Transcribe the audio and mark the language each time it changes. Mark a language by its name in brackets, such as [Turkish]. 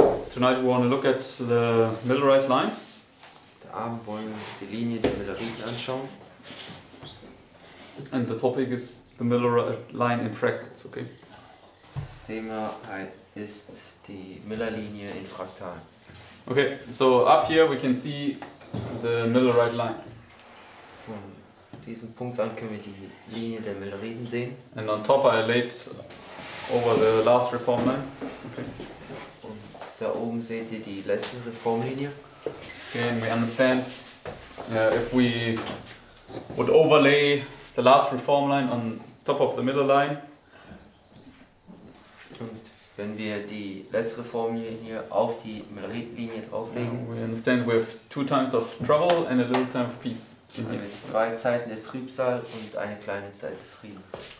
[English] Tonight we want to look at the Millerite line. [German] Heute Abend wollen wir uns die Linie der Milleriten anschauen. [English] And the topic is the Millerite line in fractals, okay? [German] Das Thema ist die Millerlinie in Fraktalen. [English] Okay, so up here we can see the Millerite line. [German] Von diesem Punkt an können wir die Linie der Milleriten sehen. [English] And on top I laid over the last reform line. Okay. [German] Da oben seht ihr die letzte Reformlinie. [English] Okay, and we understand if we would overlay the last reform line on top of the middle line. [German] Und wenn wir die letzte Reformlinie auf die Millerite-Linie drauflegen. [English] We understand we have two times of trouble and a little time of peace. [German] Dann haben wir zwei Zeiten der Trübsal und eine kleine Zeit des Friedens.